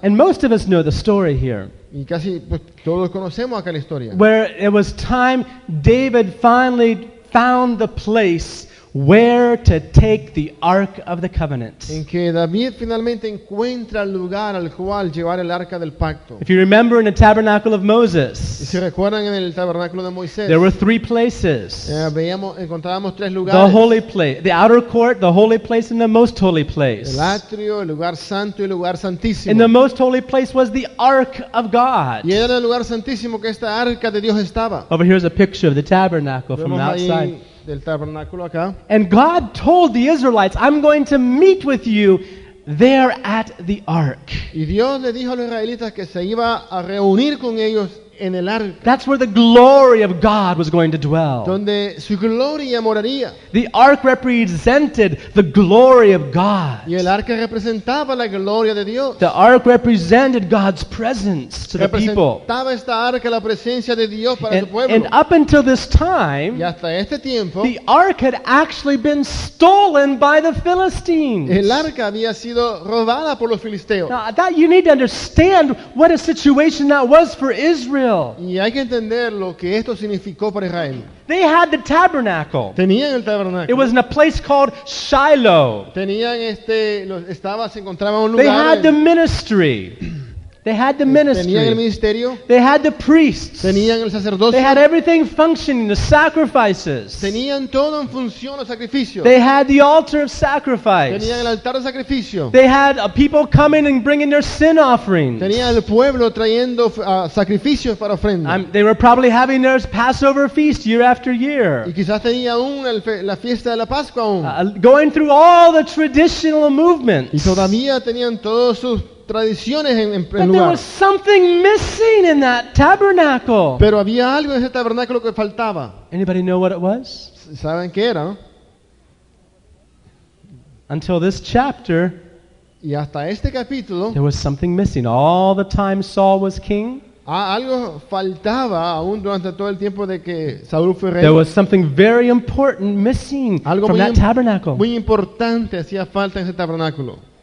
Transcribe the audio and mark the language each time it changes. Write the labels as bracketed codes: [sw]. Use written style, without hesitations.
[en] And most of us know the story here. [es] Y casi pues, todos conocemos aquella historia. [en] Where it was time David finally found the place where to take the Ark of the Covenant. [es] En que David finalmente encuentra el lugar al cual llevar el Arca del Pacto. [en] If you remember in the Tabernacle of Moses. [es] Y si recuerdan en el Tabernáculo de Moisés. [en] There were three places. [es] Encontrábamos tres lugares. [en] The holy place, the outer court, the holy place and the most holy place. [es] El atrio, el lugar santo y el lugar santísimo. [en] And the most holy place was the Ark of God. [es] Y era el lugar santísimo que esta Arca de Dios estaba. [en] Over here is a picture of the Tabernacle from the outside. [es] Del tabernáculo acá. [en] And God told the Israelites, I'm going to meet with you there at the ark. [es] Y Dios le dijo a los israelitas que se iba a reunir con ellos en el arca. [en] That's where the glory of God was going to dwell. [es] Donde su gloria moraría. [en] The ark represented the glory of God. [es] Y el arca representaba la gloria de Dios. [en] The ark represented God's presence to the people. [es] Representaba esta arca la presencia de Dios para su pueblo. [en] And up until this time, [es] y hasta este tiempo, [en] the ark had actually been stolen by the Philistines. [es] El arca había sido robada por los filisteos. [en] Now, that you need to understand what a situation that was for Israel. [es] Y hay que entender lo que esto significó para Israel. [en] They had the tabernacle. [es] Tenían el tabernáculo. [en] It was in a place called Shiloh. [es] Tenían se encontraban un lugar. [en] They had the ministry. They had the ministry. [es] Tenían el ministerio. [en] They had the priests. [es] Tenían el sacerdocio. [en] They had everything functioning, the sacrifices. [es] Tenían todo en función, los sacrificios. [en] They had the altar of sacrifice. [es] Tenían el altar de sacrificio. [en] They had people coming and bringing their sin offerings. [es] Tenían el pueblo trayendo sacrificios para ofrendas. [en] They were probably having their Passover feast year after year. [es] Y quizás tenían aún la fiesta de la Pascua aún. [en] Going through all the traditional movements. [es] Y todavía tenían todos sus tradiciones en [en] but there [es] lugar. [en] Was something missing in that tabernacle. [es] Pero había algo en ese tabernáculo que faltaba. [en] Anybody know what it was? [es] ¿Saben qué era? [en] Until this chapter, [es] y hasta este capítulo, [en] there was something missing. All the time Saul was king, [es] Algo faltaba aún durante todo el tiempo de que Saúl fue rey. [en] There was something very important missing [es] algo [en] from [es] muy, [en] that tabernacle. [es] Muy importante hacía falta en ese tabernáculo.